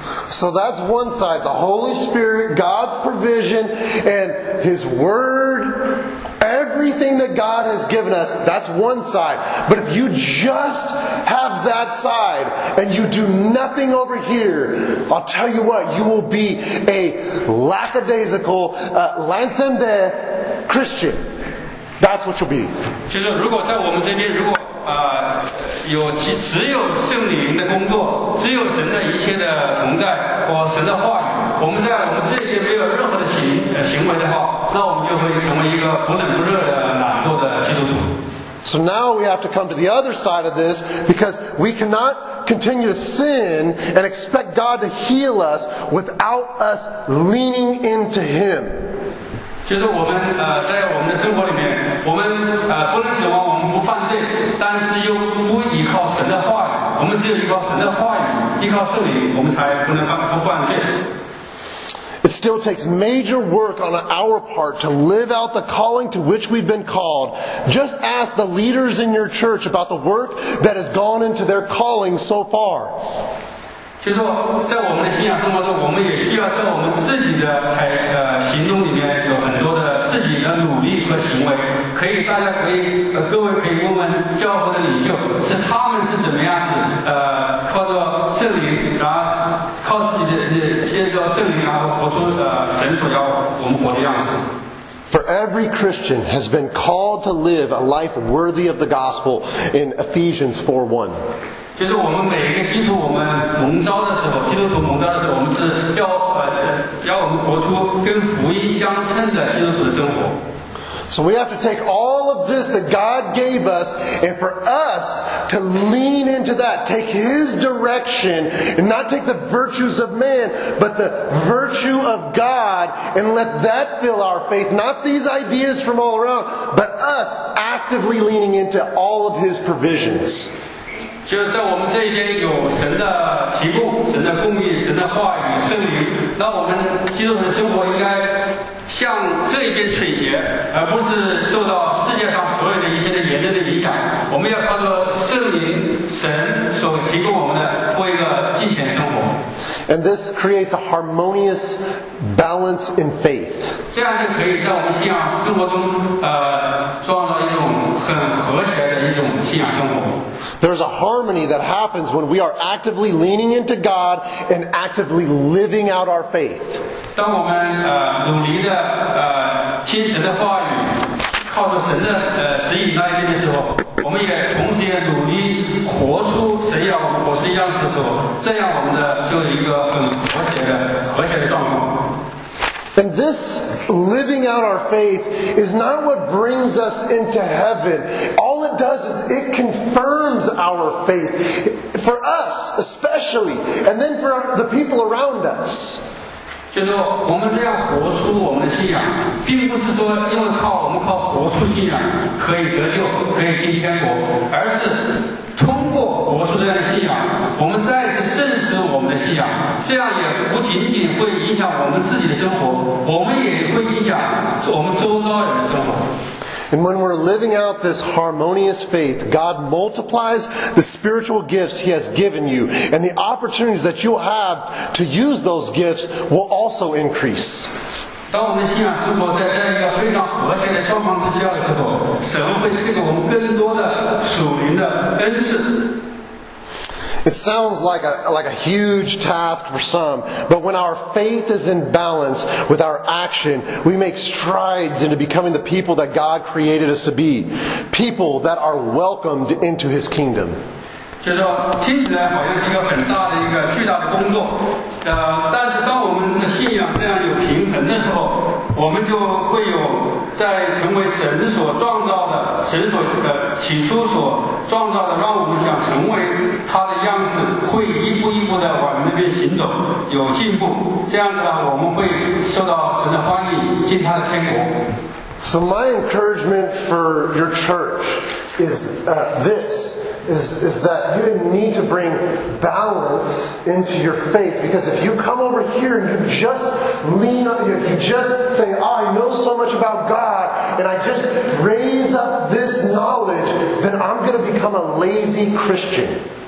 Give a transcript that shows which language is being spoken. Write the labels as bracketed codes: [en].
[en] So that's one side, the Holy Spirit, God's provision, and His Word, everything that God God has given us, that's one side. But if you just have that side and you do nothing over here, I'll tell you what, you will be a lackadaisical, lansende Christian. That's what you'll be. [zh] 就是如果在我们这边，如果只有圣灵的工作，只有神的一切的同在或神的话语，我们在我们这边没有任何的行为的话，那我们就会成为一个不冷不热的懒惰的基督徒。 [en] So now we have to come to the other side of this, because we cannot continue to sin and expect God to heal us without us leaning into Him. [zh] 就是我们在我们的生活里面，我们不能指望我们不犯罪，但是又不依靠神的话语。我们只有依靠神的话语，依靠圣灵，我们才不能不犯罪。 [en] It still takes major work on our part to live out the calling to which we've been called. Just ask the leaders in your church about the work that has gone into their calling so far. [zh] 就是说，在我们的信仰生活中，我们也需要在我们自己的行动里面有很多的自己的努力和行为。可以，大家可以，各位可以问问教会的领袖，是他们是怎么样子，靠着圣灵，然后靠自己的借着圣灵，然后活出神所要我们活的样子。 [en] For every Christian has been called to live a life worthy of the gospel in Ephesians 4:1. [zh] 就是我们每一个基督徒，我们蒙召的时候，基督徒蒙召的时候，我们是要要我们活出跟福音相称的基督徒的生活。 [en] So we have to take all of this that God gave us, and for us to lean into that, take His direction, and not take the virtues of man, but the virtue of God, and let that fill our faith, not these ideas from all around, but us actively leaning into all of His provisions. [zh] 就是在我们这一边有神的提供、神的供应、神的话语、圣灵，那我们基督徒的生活应该向这一边倾斜，而不是受到世界上所有的一些的言论的影响。我们要靠着圣灵、神所提供我们的过一个敬虔生活。 [en] And this creates a harmonious balance in faith. [zh] 这样就可以在我们信仰生活中，创造一种很和谐的一种信仰生活。 [en] There's a harmony that happens when we are actively leaning into God and actively living out our faith. [zh] 当我们努力的听神的话语，靠着神的指引那一边的时候，我们也同时也努力活出神要活出的样子的时候，这样我们的就有一个很和谐的状况。 [en] And this living out our faith is not what brings us into heaven. All it does is it confirms our faith for us, especially, and then for the people around us. [zh] 就是我们这样活出我们的信仰，并不是说因为我们靠活出信仰可以得救，可以进天国，而是通过活出这样的信仰，我们再次证实我们的信仰。这样也不仅仅会影响我们自己的生活，我们也会影响我们周遭人的生活。 [en] And when we're living out this harmonious faith, God multiplies the spiritual gifts He has given you, and the opportunities that you have to use those gifts will also increase. [zh] 当我们信仰生活在这样一个非常和谐的状况之下的时候，神会赐给我们更多的属灵的恩赐。 [en] It sounds like a huge task for some, but when our faith is in balance with our action, we make strides into becoming the people that God created us to be, people that are welcomed into His kingdom. [zh] 就是听起来好像是一个很大的一个巨大的工作，但是当我们的信仰这样有平衡的时候，我们就会有在成为神所创造的，神所起初所创造的，让我们想成为他的样子，会一步一步的往那边行走，有进步。这样子呢，我们会受到神的欢迎，进他的天国。 [en] So my encouragement for your church is this. Is that you need to bring balance into your faith, because if you come over here and you just lean on you, you just say, oh, I know so much about God, and I just raise up this knowledge, then I'm going to become a lazy Christian.